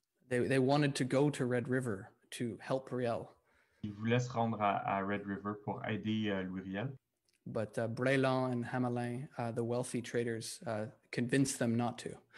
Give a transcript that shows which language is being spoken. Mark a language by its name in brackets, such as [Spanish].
[English] They wanted to go to Red River to help Riel. [French] Ils voulaient se rendre à Red River pour aider Louis Riel. [English] But Brelan and Hamelin, the wealthy traders, convinced them not to.